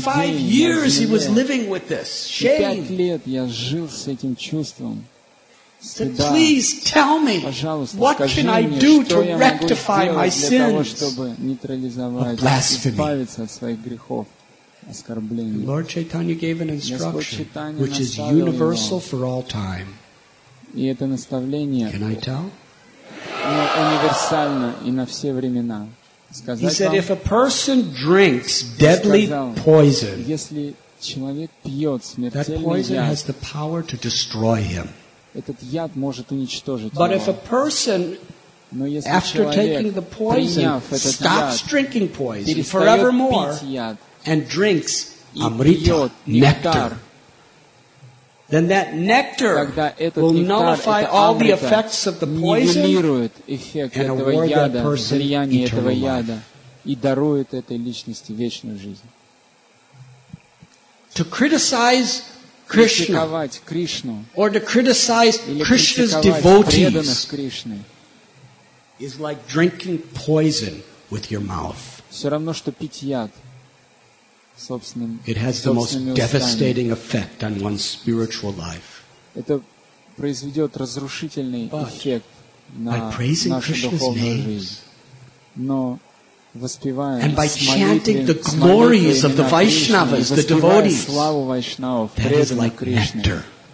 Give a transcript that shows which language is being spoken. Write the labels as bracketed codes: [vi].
[en] And for 5 years he was living with this shame. [ru] 5 лет я жил с этим чувством. [en] Please tell me, what can I do to rectify my sins? [ru] Чтобы нейтрализовать, избавиться от своих грехов, оскорблений. [en] Lord Chaitanya gave an instruction, which is universal for all time. [ru] И это наставление. [en] Can I tell? [ru] Универсально и на все времена. [en] He said, if a person drinks deadly poison, that poison has the power to destroy him. But if a person, after taking the poison, stops drinking poison forevermore and drinks amrita, nectar, then that nectar will nullify all the effects of the poison and award that person eternal life. To criticize Krishna or to criticize Krishna's devotees is like drinking poison with your mouth. It has the most devastating effect on one's spiritual life. [ru] Это произведет разрушительный эффект на нашу духовную жизнь. [en] And by chanting the glories of the Vaishnavas, the devotees, that is like nectar.